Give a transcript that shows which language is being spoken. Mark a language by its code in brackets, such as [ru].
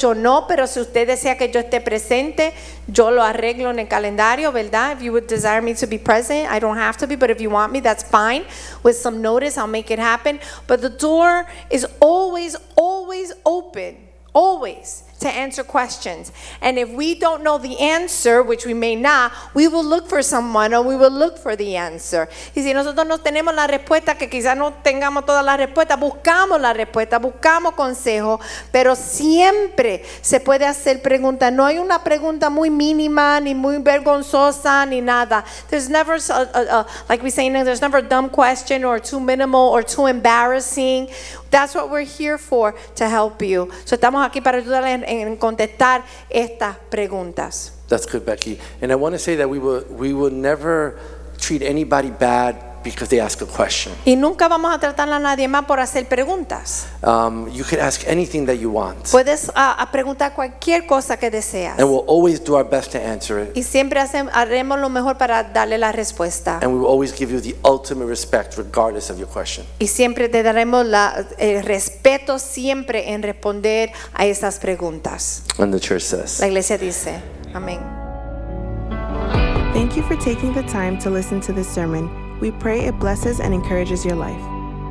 [es] Yo no, pero si usted desea que yo esté presente, yo lo arreglo en el calendario, ¿verdad? [en] If you would desire me to be present, I don't have to be, but if you want me, that's fine. With some notice, I'll make it happen. But the door is always, always open. Always. To answer questions. And if we don't know the answer, which we may not, we will look for someone or we will look for the answer. [es] Y si nosotros no tenemos la respuesta, que quizás no tengamos toda la respuesta, buscamos consejo, pero siempre se puede hacer pregunta. No hay una pregunta muy mínima, ni muy vergonzosa, ni nada. [en] There's never, like we say, there's never a dumb question or too minimal or too embarrassing. That's what we're here for, to help you. [es] So estamos aquí para ayudarle en contestar estas preguntas. [en] That's good, Becky. And I want to say that we will never treat anybody bad because they ask a question. [es] Y nunca vamos a tratar a nadie más por hacer preguntas. [en] You could ask anything that you want. [es] Puedes preguntar cualquier cosa que deseas. [en] And we'll always do our best to answer it. [es] Y siempre haremos lo mejor para darle la respuesta. [en] And we will always give you the ultimate respect regardless of your question. [es] Y siempre te daremos el respeto siempre en responder a esas preguntas. [en] And the church says. [es] La iglesia dice. Amén. [en] Thank you for taking the time to listen to this sermon. We pray it blesses and encourages your life.